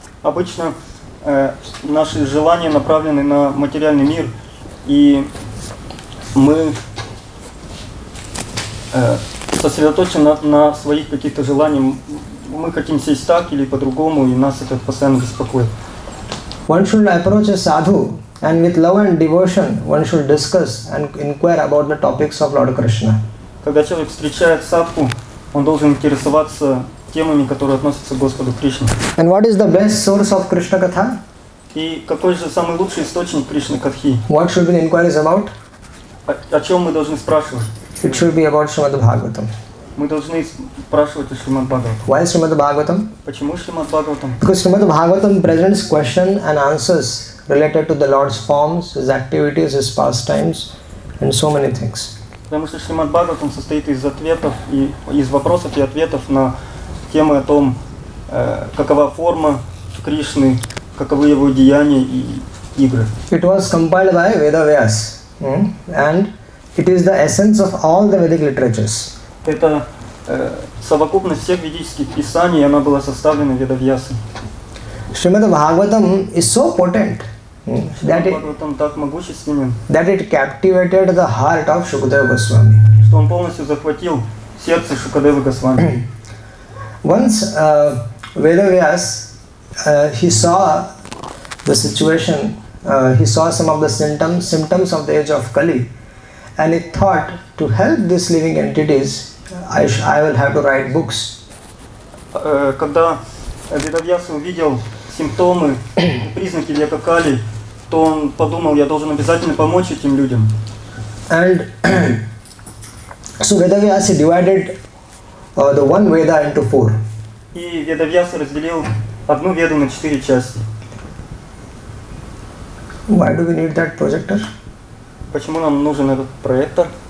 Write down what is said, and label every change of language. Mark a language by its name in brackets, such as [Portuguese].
[Russian] Обычно наши желания направлены на материальный мир, и мы сосредоточены на своих каких-то желаниях. Мы хотим сесть так или по-другому, и нас это постоянно беспокоит. [English] One should approach a sadhu, and with love and devotion, one should discuss and inquire about the topics of Lord Krishna. [Russian] Когда человек встречает садху, он должен интересоваться темами, которые относятся к Господу Кришне. [English] And what is the best source of Krishna katha? [Russian] И какой же самый лучший источник Кришны катхи? [English] What should be the inquiries about? [Russian] О чем мы должны спрашивать? [English] It should be about Srimad Bhagavatam. [Russian] Мы должны спрашивать о Srimad Bhagavatam. [English] Why Srimad Bhagavatam? [Russian] Почему Srimad Bhagavatam? [English] Because Srimad Bhagavatam presents questions and answers related to the Lord's forms, His activities, His pastimes, and so many things. [Russian] Потому что Srimad Bhagavatam состоит из ответов и из вопросов и ответов на темы о том, какова форма Кришны, каковы его деяния и игры. [English] It was compiled by Vedavyas, and it is the essence of all the Vedic literatures. [Russian] Это совокупность всех ведических писаний, она была составлена Ведавьясом. [English] Srimad Bhagavatam is so potent that it captivated the heart of Shukadeva Goswami. [Russian] Что он полностью захватил сердце Шукадевы Госвами. [English] Once Vedavyas, he saw the situation, he saw some of the symptoms of the age of Kali, and he thought, to help these living entities, I will have to write books. [Russian] Когда Vedavyas увидел симптомы, признаки века Кали, то он подумал, я должен обязательно помочь этим людям. [English] And so Vedavyas divided the one Veda into four. [Russian] И Ведавьяс разделил одну Веду на четыре части. [English] Why do we need that projector? [Russian] Почему нам нужен этот проектор?